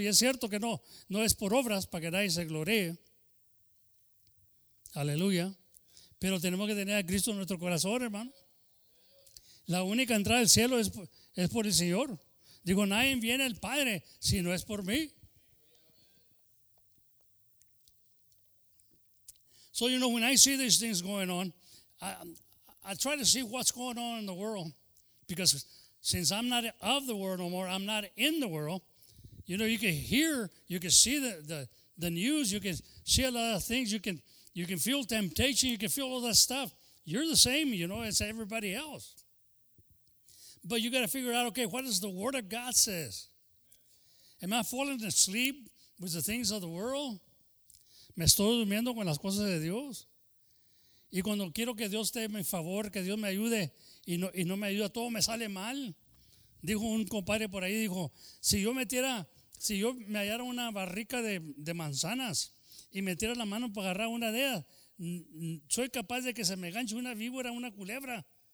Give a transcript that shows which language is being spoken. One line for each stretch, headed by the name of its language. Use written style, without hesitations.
Spanish: Y es cierto que no, no es por obras para que nadie se gloree. Aleluya. Pero tenemos que tener a Cristo en nuestro corazón, hermano. La única entrada al cielo es por el Señor. Digo, nadie viene al Padre si no es por mí.
English: So, you know, when I see these things going on, I try to see what's going on in the world. Because since I'm not of the world no more, I'm not in the world. You know, you can hear, you can see the news, you can see a lot of things, you can feel temptation, you can feel all that stuff. You're the same, you know, as everybody else. But you got to figure out, okay, what does the Word of God says? Am I falling asleep with the things of the world?
Spanish: ¿Me estoy durmiendo con las cosas de Dios? Y cuando quiero que Dios esté en favor, que Dios me ayude, y no me ayuda, todo me sale mal. Dijo un compadre por ahí, dijo, si yo me hallara una barrica de manzanas y metiera la mano para agarrar una de ellas, soy capaz de que se me ganche una víbora, una culebra.